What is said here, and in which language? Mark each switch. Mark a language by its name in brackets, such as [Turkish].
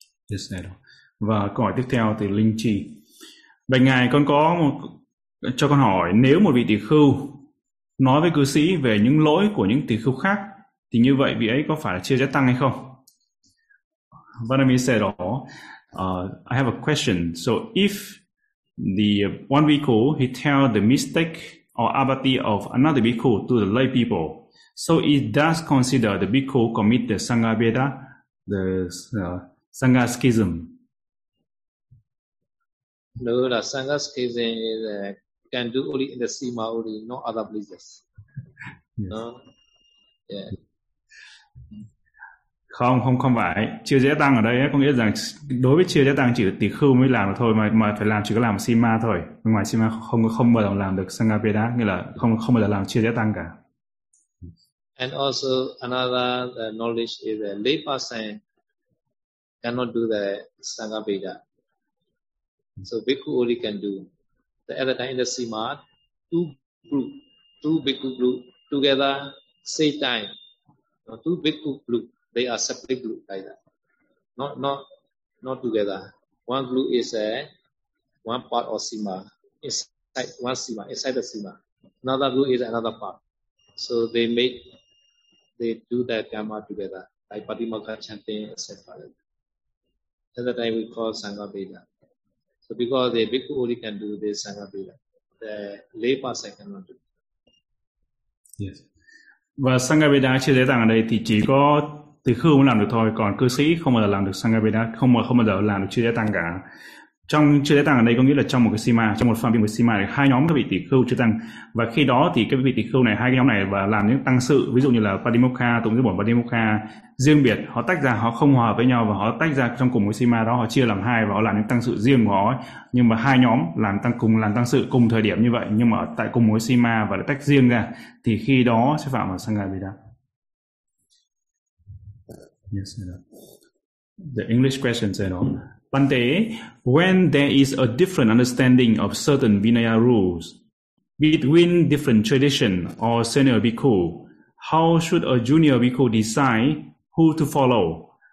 [English] Yes, no. [Vietnamese] Và câu hỏi tiếp theo từ Linh Chi. Bạch ngài, con có một, cho con hỏi, nếu một vị tỳ khưu nói với cư sĩ về những lỗi của những tỳ khưu khác thì như vậy vị ấy có phải là chia rẽ tăng hay không? [English] Vanami said, I have a question. So if the one bhikkhu he tell the mistake or abati of another bhikkhu to the lay people, so it does consider the bhikkhu commit the sangha beda, the sangha schism? No, the sangha schism can do only in the Sima, only no other places. Yes. No? Yeah. [Vietnamese] Không phải. Chia rẽ tăng ở đây có nghĩa rằng đối với chia rẽ tăng chỉ tỳ khưu mới làm được thôi, mà phải làm chỉ có làm Sima thôi. Ngoài Sima không bao giờ làm được Sangha Veda, nghĩa là không bao giờ làm chia rẽ tăng cả. [English] And also another the knowledge is a lay person cannot do the Sangha Veda. So Bhikkhu only can do. The other time in the Sima, two Bhikkhu group together, same time. Now, two Bhikkhu group, they are separate group like that. Not together. One group is a one part of Sima, inside one Sima, inside the Sima. Another group is another part. So they do that Dhamma together, like Patimokkha chanting, etc. At the time we call Sangha Veda. So because the Bhikkhu only can do this Sangha Veda, the lay person cannot do. Yes. [Vietnamese] Và Sangha Veda chia sẻ rằng ở đây thì chỉ có tỳ khưu mới làm được thôi, còn cư sĩ không bao giờ làm được Sangha Veda, không bao giờ làm được chia sẻ tăng cả. Trong chia sẻ tăng ở đây có nghĩa là trong một cái sima, trong một phạm vi một sima thì hai nhóm các vị tỳ khưu chia tăng, và khi đó thì các vị tỳ khưu này, hai cái nhóm này và làm những tăng sự, ví dụ như là Padimokkha, tụng giới bổn Padimokkha riêng biệt, họ tách ra, họ không hòa với nhau và họ tách ra trong cùng một sima đó, họ chia làm hai và họ làm những tăng sự riêng của họ ấy. Nhưng mà hai nhóm làm tăng sự cùng thời điểm như vậy, nhưng mà tại cùng một sima và tách riêng ra, thì khi đó sẽ phạm vào Sangha Veda. [English] Yes, the English question said on Pante, when there is a different understanding of certain Vinaya rules between different tradition or senior bhikkhu, how should a junior bhikkhu decide who to follow?